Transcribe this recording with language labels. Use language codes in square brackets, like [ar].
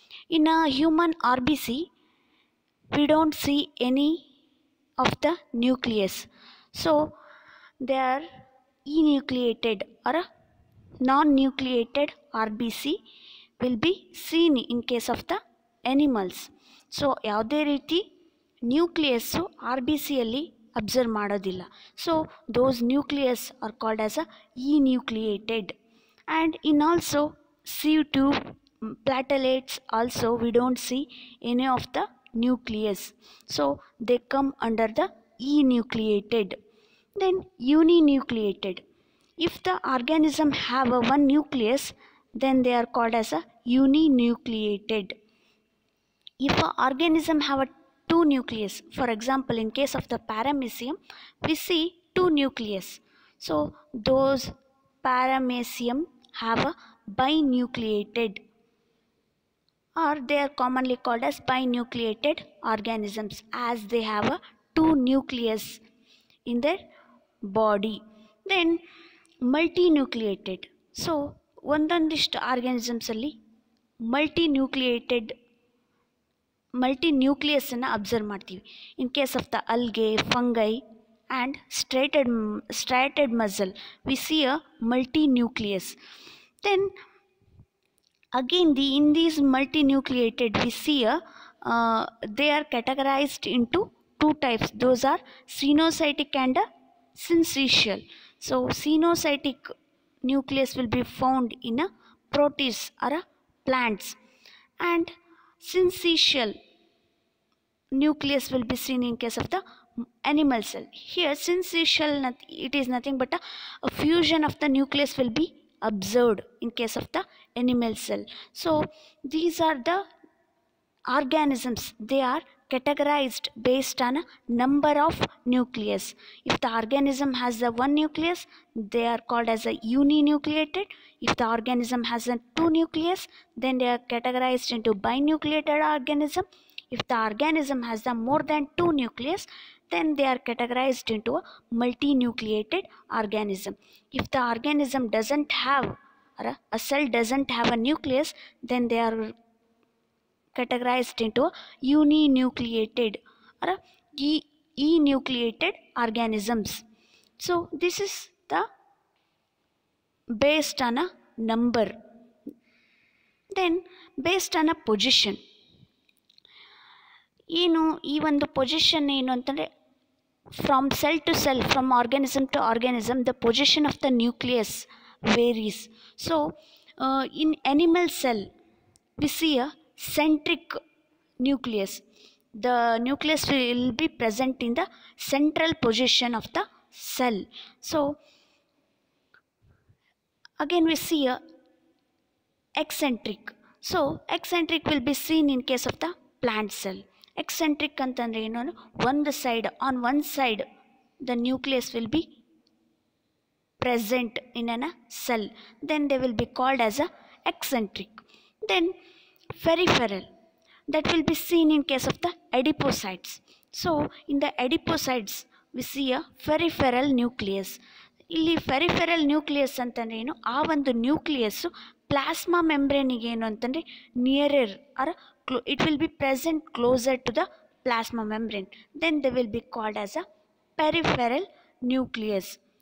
[en] In a human RBC we don't see any of the nucleus, so they are enucleated or a non-nucleated RBC will be seen in case of the animals. [kn] So ಯಾವುದೇ ರೀತಿ nucleus R B ಸಿಯಲ್ಲಿ observe ಮಾಡೋದಿಲ್ಲ. [en] So those nucleus are called as a enucleated. And in also sieve tube platelets also we don't see any of the nucleus. So they come under the enucleated. Then uninucleated, if the organism have a one nucleus then they are called as a uninucleated. If an organism have a two nucleus, for example in case of the paramecium we see two nucleus, so those paramecium have a binucleated, or they are commonly called as binucleated organisms as they have a two nucleus in their body. Then multinucleated, so [kn] ondondishtu [en] organisms [kn] alli [en] multinucleated multi-nucleus [kn] ಅನ್ನು observe ಮಾಡ್ತೀವಿ. [en] In case of the algae, fungi and striated muscle we see a multinucleus. Then again the in these multinucleated we see a they are categorised into two types, those are coenocytic and a syncytial. So coenocytic nucleus will be found in a protists or a plants, and syncytial nucleus will be seen in case of the animal cell. Here syncytial, it is nothing but a fusion of the nucleus will be observed in case of the animal cell. So these are the organisms, they are categorized based on a number of nucleus. If the organism has a one nucleus they are called as a uninucleated, if the organism has a two nucleus then they are categorized into binucleated organism, if the organism has the more than two nucleus then they are categorized into a multinucleated organism, if the organism doesn't have or a cell doesn't have a nucleus then they are categorized into a uninucleated or a enucleated organisms. So this is the based on a number. Then based on a position, [kn] ಏನು ಈ ಒಂದು position ಏನು ಅಂತಂದರೆ [en] From cell to cell, from organism to organism the position of the nucleus varies. So in animal cell we see a centric nucleus, the nucleus will be present in the central position of the cell. So again we see a eccentric, so eccentric will be seen in case of the plant cell. Eccentric [kn] antandre enu, [en] one side, on one side the nucleus will be present in a cell, then they will be called as a eccentric. Then peripheral, that will be seen in case of the adipocytes. So in the adipocytes we see a peripheral nucleus. [kn] ಇಲ್ಲಿ peripheral nucleus ಅಂತಂದರೆ ಏನು, ಆ ಒಂದು nucleus plasma ಮೆಂಬ್ರೇನಿಗೆ ಏನು ಅಂತಂದರೆ [en] Nearer or close, it will be present closer to the plasma membrane, then they will be called as a peripheral nucleus.